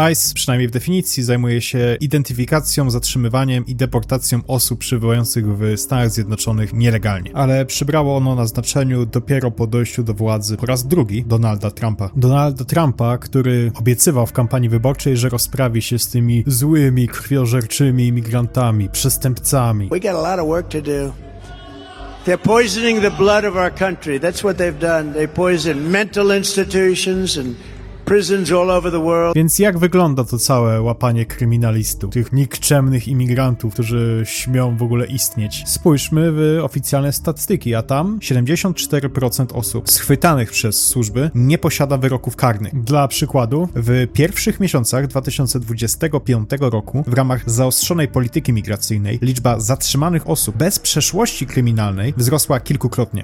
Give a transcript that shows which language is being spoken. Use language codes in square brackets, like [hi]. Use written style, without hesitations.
[pl] ICE, przynajmniej w definicji, zajmuje się identyfikacją, zatrzymywaniem i deportacją osób przybywających w Stanach Zjednoczonych nielegalnie. Ale przybrało ono na znaczeniu dopiero po dojściu do władzy po raz drugi Donalda Trumpa. Donalda Trumpa, który obiecywał w kampanii wyborczej, że rozprawi się z tymi złymi, krwiożerczymi imigrantami, przestępcami. [en] We got a lot of work to do. They're poisoning the blood of our country. That's what they've done. They poison mental institutions and prisons all over the world. [pl] Więc jak wygląda to całe łapanie kryminalistów, tych nikczemnych imigrantów, którzy śmią w ogóle istnieć? Spójrzmy w oficjalne statystyki, a tam 74% osób schwytanych przez służby nie posiada wyroków karnych. Dla przykładu, w pierwszych miesiącach 2025 roku w ramach zaostrzonej polityki migracyjnej liczba zatrzymanych osób bez przeszłości kryminalnej wzrosła kilkukrotnie.